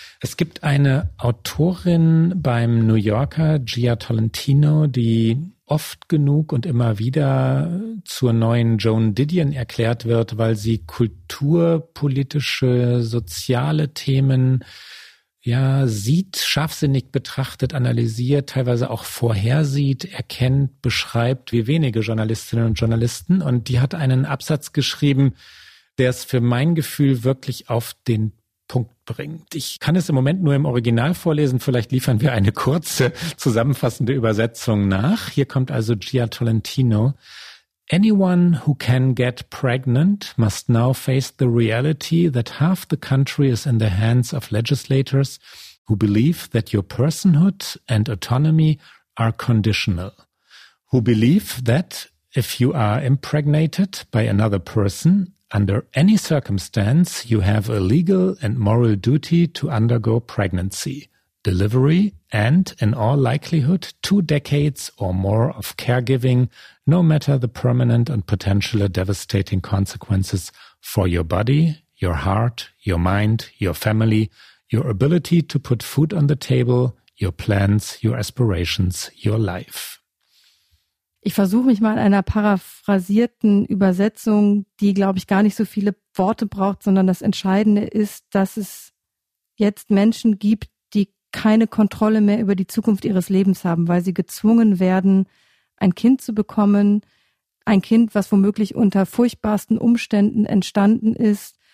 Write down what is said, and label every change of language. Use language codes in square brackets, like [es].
[de] Es gibt eine Autorin beim New Yorker, Gia Tolentino, die oft genug und immer wieder zur neuen Joan Didion erklärt wird, weil sie kulturpolitische, soziale Themen ja sieht, scharfsinnig betrachtet, analysiert, teilweise auch vorhersieht, erkennt, beschreibt, wie wenige Journalistinnen und Journalisten. Und die hat einen Absatz geschrieben, der es für mein Gefühl wirklich auf den Punkt bringt. Ich kann es im Moment nur im Original vorlesen. Vielleicht liefern wir eine kurze, zusammenfassende Übersetzung nach. Hier kommt also Gia Tolentino. [en] Anyone who can get pregnant must now face the reality that half the country is in the hands of legislators who believe that your personhood and autonomy are conditional, who believe that if you are impregnated by another person, under any circumstance, you have a legal and moral duty to undergo pregnancy, delivery, and in all likelihood, 2 decades or more of caregiving, no matter the permanent and potentially devastating consequences for your body, your heart, your mind, your family, your ability to put food on the table, your plans, your aspirations, your life. [de] Ich versuche mich mal in einer paraphrasierten Übersetzung, die, glaube ich, gar nicht so viele Worte braucht, sondern das Entscheidende ist, dass es jetzt Menschen gibt, die keine Kontrolle mehr über die Zukunft ihres Lebens haben, weil sie gezwungen werden, ein Kind zu bekommen, ein Kind, was womöglich unter furchtbarsten Umständen entstanden ist.